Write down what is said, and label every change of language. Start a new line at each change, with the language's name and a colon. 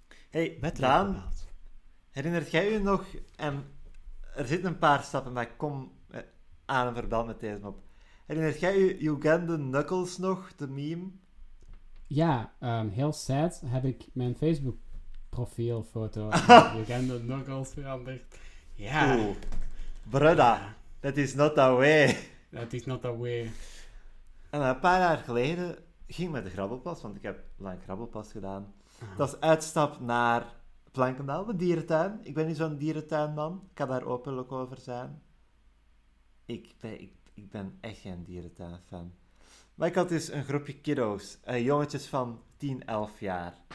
Dutch: hey, Daan, herinnert jij je nog en er zitten een paar stappen maar ik kom aan een verband met deze mop. Herinnert jij je Ugandan Knuckles nog, de meme? Ja, heel sad heb ik mijn Facebook profielfoto Ugandan Knuckles veranderd. Ja. Oeh.
English: Brudda, that is not the way. That is not the way.
Dutch: En een paar jaar geleden ging ik met de grabbelpas, want ik heb lang grabbelpas gedaan. Uh-huh. Dat is uitstap naar Plankendaal, de dierentuin. Ik ben niet zo'n dierentuinman. Ik kan daar openlijk over zijn. Ik ben echt geen dierentuinfan. Maar ik had dus een groepje kiddo's, jongetjes van 10, 11 jaar.